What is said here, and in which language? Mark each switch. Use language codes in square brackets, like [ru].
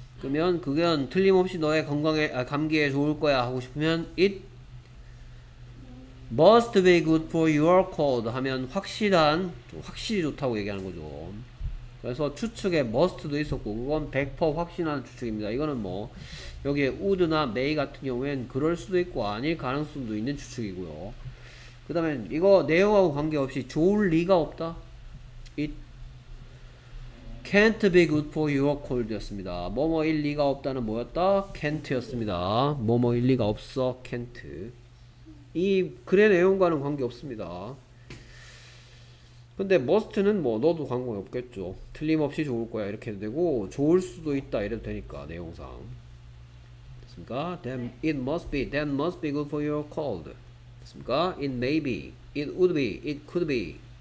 [ko] 그러면 그건 틀림없이 너의 건강에 감기에 좋을 거야 하고 싶으면 [en] it must be good for your cold [ko] 하면 확실한 확실히 좋다고 얘기하는 거죠. 그래서 추측에 must도 있었고 그건 100% 확신하는 추측입니다. 이거는 뭐 여기에 would나 may 같은 경우에는 그럴 수도 있고 아닐 가능성도 있는 추측이고요. 그 다음에 이거 내용하고 관계없이 좋을 리가 없다. [en] it can't be good for your cold [ko] 였습니다. 뭐뭐일 리가 없다는 뭐였다? can't 였습니다. 뭐뭐일 리가 없어? can't. 이 글의 내용과는 관계없습니다. 근데 must는 뭐 너도 관계없겠죠. 틀림없이 좋을 거야 이렇게 해도 되고 좋을 수도 있다 이래도 되니까 내용상. 됐습니까? [en] then it must be, then must be good for your cold. [ko] 됐습니까? [en] it may be, it would be, it could be.